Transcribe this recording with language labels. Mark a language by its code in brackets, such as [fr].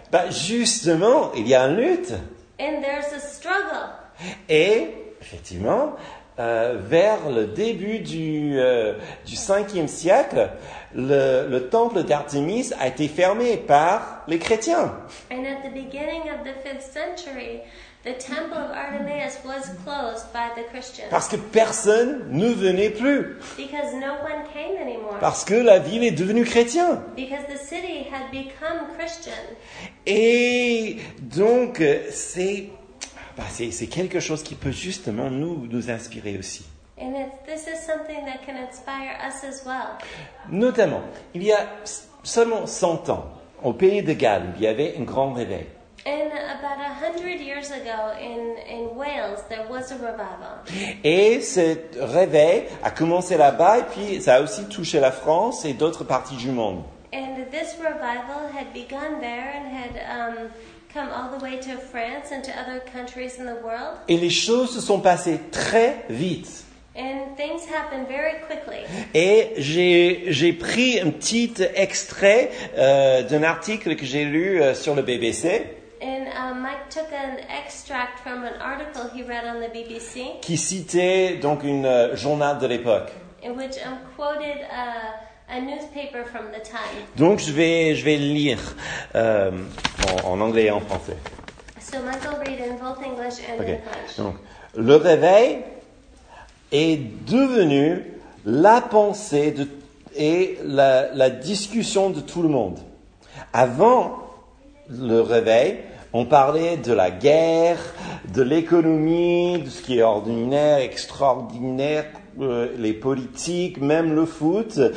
[fr] Bah, justement, il y a une lutte. [en] And there's a struggle. [fr] Et effectivement, vers le début du 5e siècle, le temple d'Artémis a été fermé par les chrétiens. [en] And at the beginning of the 5th century, the temple of Artemis was closed by the Christians. [fr] Parce que personne ne venait plus. [en] Because no one came anymore. [fr] Parce que la ville est devenue chrétienne. [en] Because the city had become Christian. [fr] Et donc, c'est quelque chose qui peut justement nous inspirer aussi. [en] And this is something that can inspire us as well. [fr] Notamment, il y a seulement 100 ans, au pays de Galles, il y avait un grand réveil. [en] And about 100 years ago in Wales, there was a revival. [fr] Et ce réveil a commencé là-bas et puis ça a aussi touché la France et d'autres parties du monde. [en] And this revival had begun there and had come all the way to France and to other countries in the world. [fr] Et les choses se sont passées très vite. [en] And things happened very quickly. [fr] Et j'ai pris un petit extrait d'un article que j'ai lu sur le BBC. [en] And Mike took an extract from an article he read on the BBC. [fr] Qui citait donc une journal de l'époque. [en] In which I quoted a newspaper from the time. [fr] Donc je vais lire en anglais et en français. [en] So Mike will read in both English and okay. In French. [fr] Donc, le réveil est devenu la pensée et la discussion de tout le monde. Avant le réveil, on parlait de la guerre, de l'économie, de ce qui est ordinaire, extraordinaire, les politiques, même le foot.